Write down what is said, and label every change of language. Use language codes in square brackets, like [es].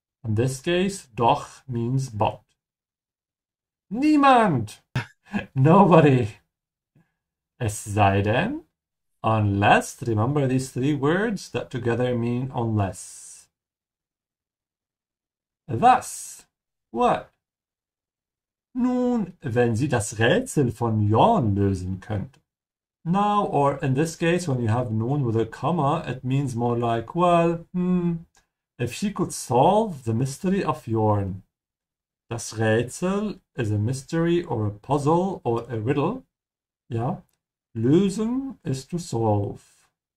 [en] In this case, doch means but. Niemand! Nobody! [de] Es sei denn, [en] unless, remember these three words that together mean unless. Thus, what? [de] Nun, wenn Sie das Rätsel von Jan lösen könnten. [en] Now, or in this case, when you have known with a comma, it means more like, well, if she could solve the mystery of Jorn. Das Rätsel is a mystery or a puzzle or a riddle. Yeah. Lösen is to solve.